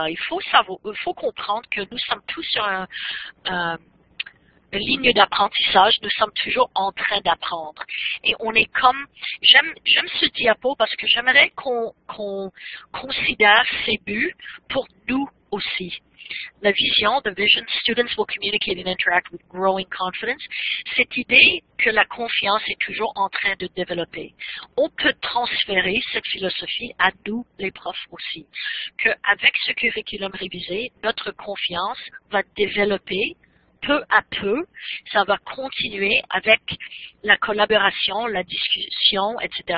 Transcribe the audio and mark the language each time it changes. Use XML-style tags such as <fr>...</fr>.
<fr>Il faut comprendre que nous sommes tous sur une ligne d'apprentissage, nous sommes toujours en train d'apprendre. Et on est comme, j'aime ce diapo parce que j'aimerais qu'on considère ces buts pour nous aussi. La vision,</fr> <en>the vision, students will communicate and interact with growing confidence.</en> <fr>Cette idée que la confiance est toujours en train de développer. On peut transférer cette philosophie à nous, les profs aussi. Qu'avec ce curriculum révisé, notre confiance va développer peu à peu. Ça va continuer avec la collaboration, la discussion, etc.</fr>